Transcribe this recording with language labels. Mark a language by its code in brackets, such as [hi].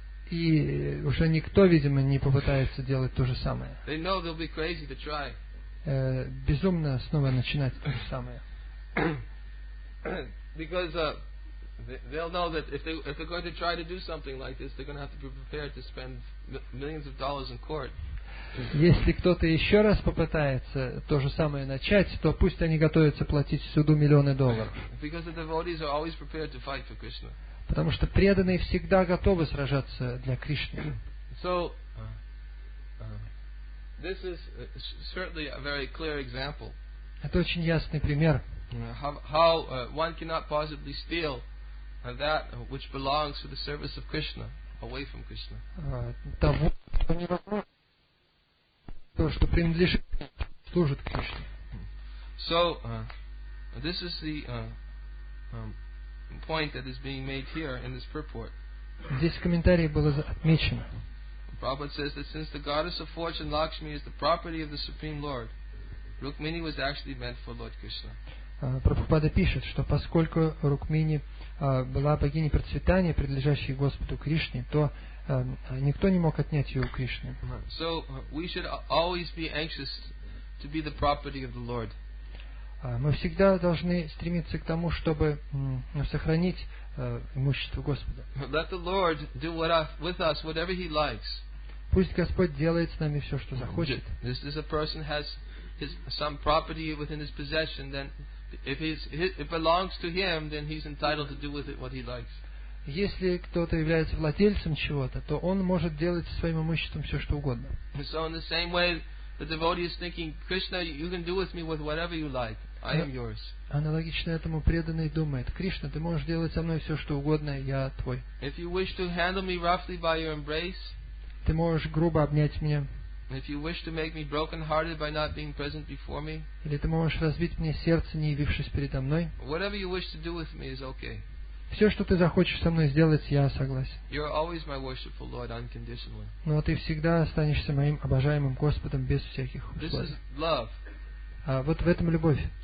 [ru] И уже никто, видимо, не попытается делать то же самое. [en] They know they'll be crazy to try. [ru] Безумно снова начинать то же самое. [en] Because they'll know that if they're going to try to do something like this, they're going to have to be prepared to spend millions of dollars in court. [ru] Если кто-то еще раз попытается то же самое начать, то пусть они готовятся платить суду миллионы долларов. [en] Because the devotees are always prepared to fight for Krishna. [ru] Потому что преданные всегда готовы сражаться для Кришны. [en] So, this is certainly a very clear example. [ru] Это очень ясный пример. [en] How one cannot possibly steal that which belongs to the service of Krishna away from Krishna. [ru] То, что принадлежит, служит Кришне. [en] So, this is the point that is being made here in this purport. [ru] Здесь в комментарии было отмечено. [en] Prabhupada says that since the goddess of fortune Lakshmi is the property of the Supreme Lord, Rukmini was actually meant for Lord Krishna. [ru] Прабхупада пишет, что поскольку Рукмини была богиней процветания, принадлежащей Господу Кришне, то никто не мог отнять ее у Кришны. [en] So we should always be anxious to be the property of the Lord. [ru] Мы всегда должны стремиться к тому, чтобы сохранить имущество Господа. [en] Let the Lord do with us whatever He likes. [ru] Пусть Господь делает с нами все, что захочет. [en] This is a person has some property within his possession, then if it belongs to him, then he's entitled to do with it what he likes. [ru] Если кто-то является владельцем чего-то, то он может делать со своим имуществом все, что угодно. [en] So in the same way, the devotee is thinking, Krishna, you can do with me with whatever you like. I am yours. [ru] Аналогично этому преданный думает, Кришна, ты можешь делать со мной все, что угодно, я твой. [en] If you wish to handle me roughly by your embrace, [ru] ты можешь грубо обнять меня. [en] If you wish to make me broken-hearted by not being present before me, [ru] или ты можешь разбить мне сердце, не явившись передо мной. [en] Whatever you wish to do with me is okay. [ru] Все, что ты захочешь со мной сделать, я согласен. Но ты всегда останешься моим обожаемым Господом без всяких условий. Вот в этом любовь.